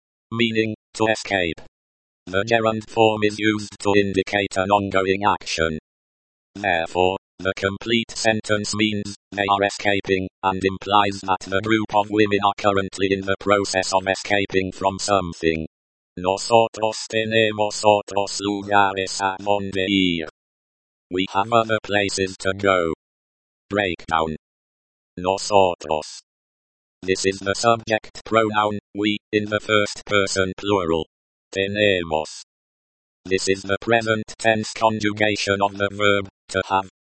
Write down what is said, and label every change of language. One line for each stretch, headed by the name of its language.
English: Meaning, to escape. The gerund form is used to indicate an ongoing action. Therefore, the complete sentence means, they are escaping, and implies that the group of women are currently in the process of escaping from something.
Spanish: Nosotros tenemos otros lugares a donde ir.
English: We have other places to go. Breakdown. Nosotros. This is the subject pronoun, we, in the first person plural. Tenemos. This is the present tense conjugation of the verb, to have.